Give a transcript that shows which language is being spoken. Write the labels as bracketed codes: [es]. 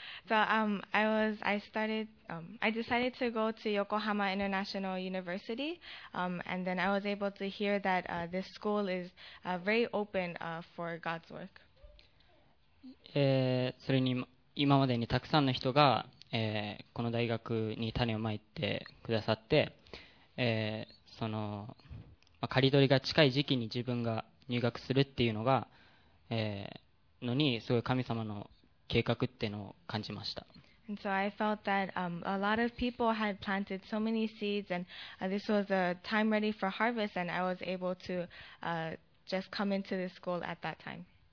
[en] So, I decided to go to Yokohama International University, and then I was able to hear that this school is very open for God's work. [ja] それに今までにたくさんの人がこの大学に種をまいてくださって、その、まあ、刈り取りが近い時期に自分が入学するっていうのが、のにすごい神様の計画っていうのを感じました。 [en] And so I felt that a lot of people had planted so many seeds and this was a time ready for harvest and I was able to just come into this school at that time.